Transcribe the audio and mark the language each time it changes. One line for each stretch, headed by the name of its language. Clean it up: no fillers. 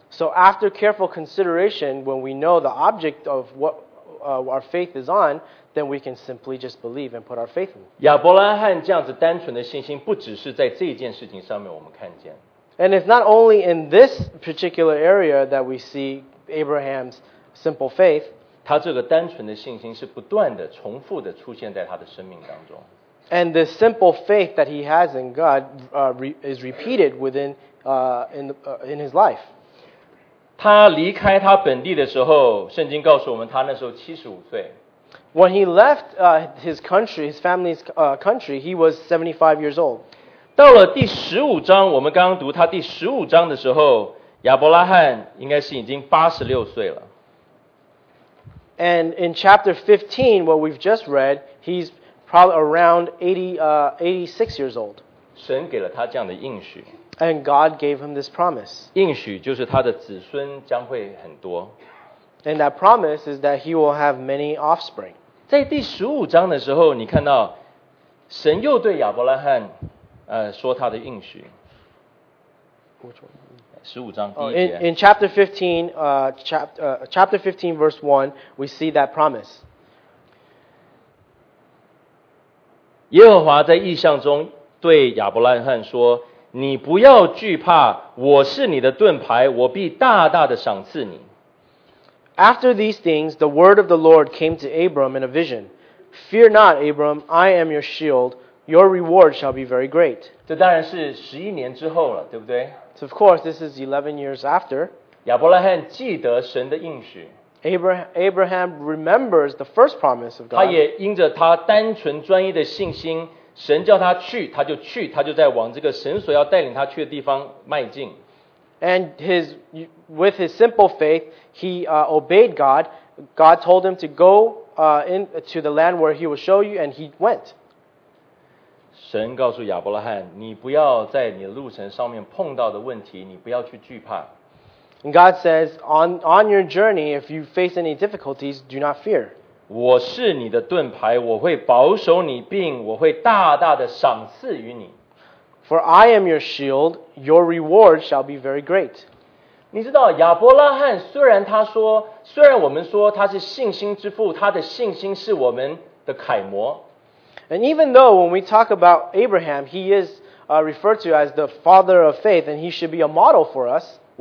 English: So after careful consideration, when we know the object of what our faith is on, then we can simply just believe and put our faith in.
Chinese: 亚伯拉罕这样子单纯的信心不只是在这件事情上面我们看见。
English: And it's not only in this particular area that we see Abraham's simple faith.
Chinese: 他这个单纯的信心是不断的、重复的出现在他的生命当中。
English: And the simple faith that he has in God is repeated within in his life.
Chinese: 他离开他本地的时候，圣经告诉我们他那时候75岁。
English: When he left his country, his family's country, he was 75 years old.
Chinese: 到了第十五章，我们刚刚读他第十五章的时候，亚伯拉罕应该是已经86岁了。
English: And in chapter 15, what we've just read, he's probably around 86 years old.
Chinese: 神给了他这样的应许。
English: And God gave him this promise.
Chinese: 应许就是他的子孙将会很多。
English: And that promise is that he will have many offspring.
Chinese: 在第十五章的时候，你看到神又对亚伯拉罕说他的应许。
English: In chapter 15, chapter 15, verse 1, we see that promise.
Chinese: 耶和华在异象中对亚伯拉罕说, 你不要惧怕, 我是你的盾牌, 我必大大的赏赐你。
English: After these things, the word of the Lord came to Abram in a vision. Fear not, Abram, I am your shield. Your reward shall be very great.
Chinese: 这当然是11年之后了,对不对?
English: So of course, this is 11 years after.
Chinese: 亚伯拉罕记得神的应许。
English: Abraham remembers the first promise of God.
Chinese: 他也因着他单纯专一的信心, 神叫他去,他就去, 他就在往这个神所要带领他去的地方迈进。
English: And with his simple faith, he obeyed God. God told him to go into the land where he will show you, and he went.
Chinese: 神告诉亚伯拉罕, 你不要在你路程上面碰到的问题, 你不要去惧怕。
English: And God says, on your journey, if you face any difficulties, do not fear.
Chinese: 我是你的盾牌, 我会保守你, 并我会大大的赏赐于你。
English: For I am your shield, your reward shall be very great.
Chinese: 你知道,亚伯拉罕虽然他说, 虽然我们说他是信心之父, 他的信心是我们的楷模。
English: And even though when we talk about Abraham, he is referred to as the father of faith, and he should be a model for us.